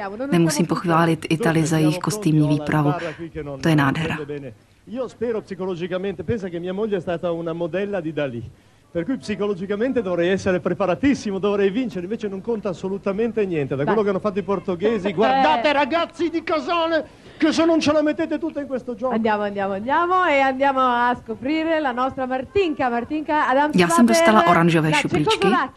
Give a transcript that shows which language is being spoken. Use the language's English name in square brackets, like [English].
[Czech] Nemusím pochválit Italy za jejich kostýmní výpravu. To je nádhera. [Italian] Io spero psicologicamente, pensa che mia moglie è stata una modella di Dalí. Per cui psicologicamente dovrei essere preparatissimo, dovrei vincere, invece non conta assolutamente niente. Da quello che hanno fatto i portoghesi, guardate ragazzi di Casale, che se non ce la mettete tutta in questo gioco. Andiamo e andiamo a scoprire la nostra Martinka. Martinka Adam. [Czech] Ja sem dostala oranžové šuplíčky.